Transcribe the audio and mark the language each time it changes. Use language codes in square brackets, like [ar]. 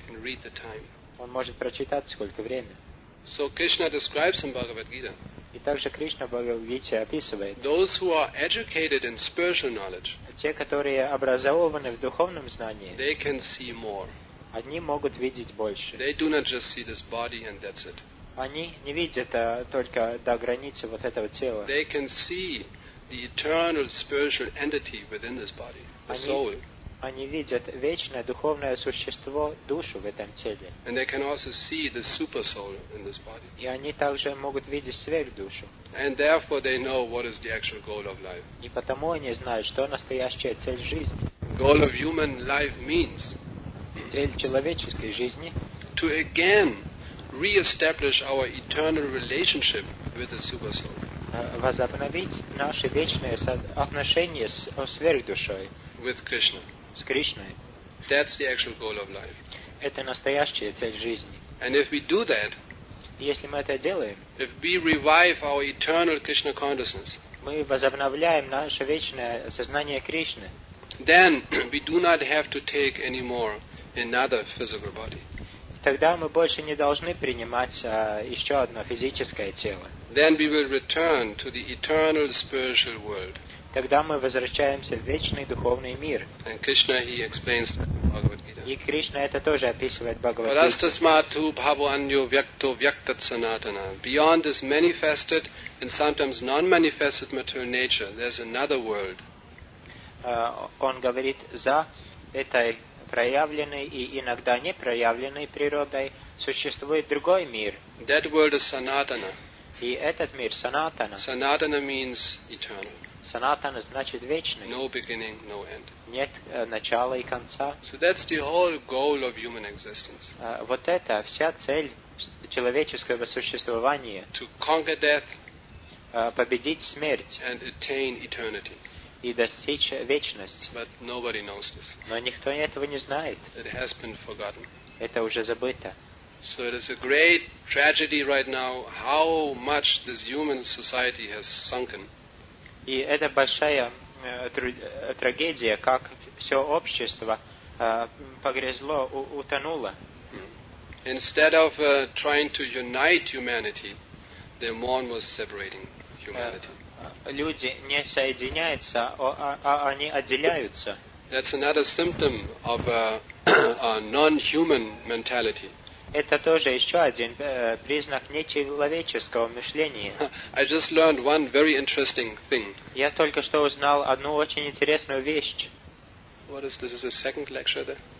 [en] Can read the time. [ru] Он может прочитать, сколько время. [en] So Krishna describes in Bhagavad Gita. [ru] И также Кришна в Бхагавад-гите описывает. [en] Those who are educated in spiritual knowledge. [ru] Те, которые образованы в духовном знании. [en] They can see more. [ru] Одни могут видеть больше. [en] They do not just see this body and that's it. [ru] Они не видят только до границы вот этого тела. [en] They can see the eternal spiritual entity within this body, the soul. [ru] Они видят вечное духовное существо, душу в этом теле. [en] And they can also see the super soul in this body. [ru] И они также могут видеть сверхдушу. [en] And therefore they know what is the actual goal of life. [ru] И потому они знают, что настоящая цель жизни. [en] Goal of human life means. [ru] Цель человеческой жизни. [en] To again re-establish our eternal relationship with the super soul. [ru] Возобновить наши вечные отношения с сверхдушой. [en] With Krishna. [ru] С Кришной. [en] That's the actual goal of life. [ru] Это настоящая цель жизни. [en] And if we do that, [ru] если мы это делаем, [en] if we revive our eternal Krishna consciousness, [ru] мы возобновляем наше вечное сознание Кришны, [en] then we do not have to take anymore another physical body. [ru] Тогда мы больше не должны принимать еще одно физическое тело. [en] Then we will return to the eternal spiritual world. [ru] Тогда мы возвращаемся в вечный духовный мир. [en] And Krishna, he explains that in Bhagavad Gita. [ru] И Кришна это тоже описывает в Бхагавад-гите. [sa] Bhavanyo vyakto vyaktat sanatana. [en] Beyond this manifested and sometimes non-manifested material nature, there's another world. [ru] Он говорит, за этой проявленной и иногда не проявленной природой существует другой мир. [en] That world is sanatana. [ru] И этот мир санатана. [en] Sanatana means eternal. [ru] Санатана значит вечный. [en] No beginning, no end. [ru] Нет начала и конца. [en] So that's the whole goal of human existence. [ru] Вот это вся цель человеческого существования. [en] To conquer death. [ru] Победить смерть. [en] And attain eternity. [ru] И достичь вечности. [en] But nobody knows this. [ru] Но никто этого не знает. [en] It has been forgotten. [ru] Это уже забыто. [en] So it is a great tragedy right now how much this human society has sunken. [ru] И это большая трагедия, как все общество погрязло, утонуло. [en] Instead of trying to unite humanity, the mourn was separating humanity. [ru] Люди не соединяются, а они отделяются. [en] That's another symptom of a non-human mentality. [ru] Это тоже еще один признак нечеловеческого мышления. [en] I just learned one very interesting thing. [ru] Я только что узнал одну очень интересную вещь. [en] What is this? Is a second lecture there?